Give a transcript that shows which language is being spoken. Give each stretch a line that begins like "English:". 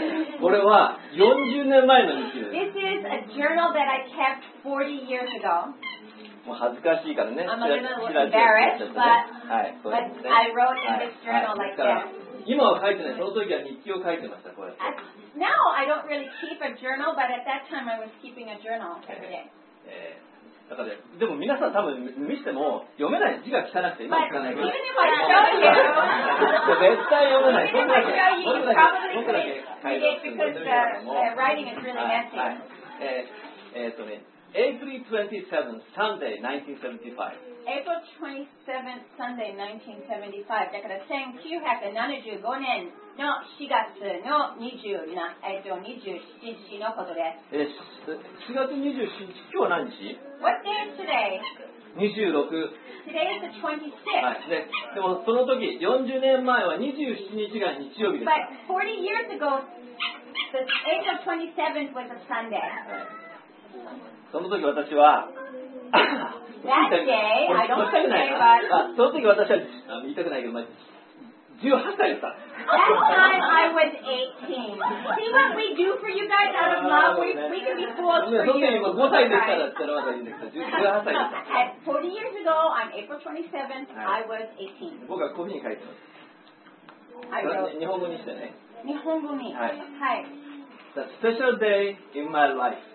Japanese: はい、これは40年前の日記です。
English: This is a journal that I kept 40 years ago.
Japanese: もう恥ずかしいからね。
English: I'm a little embarrassed, but I wrote in this journal like this.
Japanese: 今は書いてない。その時は日記を書いてました。これ。
English: Now I don't really keep a journal, but at that time I was keeping a journal every day.
Japanese: 中で。でも皆さん多分見しても読めない字が汚くて今聞かないけど。まあ、絶対読めない。そんなだけ。それだけ。それだけ。はい。もう。はい。
English: April 27th, Sunday, 1975. April 27th, Sunday, 1975.
Japanese: だから1975年の4月の27日のことです。え、4月27日、今日は何日？
English: What day is today?
Japanese: 26。
English: Today is the 26th.
Japanese: はい。で、でもその時、40年前は27日が日曜日です。
English: But 40 years ago, the April 27th was a Sunday.
Japanese: その時私は、
English: That day, I don't think that,
Japanese: その時私は、あ、言いたくないけど、18歳でした。
English: That time I was 18. See what we do for you guys out of love? We can be fools for you.
Japanese: その時は5歳でしたら、ったらまだいいんですけど、18歳でした。
English: 40 years ago, on April 27th, I was 18.
Japanese: 僕はこういうふうに書いてます。
English: I wrote...
Japanese: 日本語にしてね。日本語に。はい。はい、
English: The special day in my life.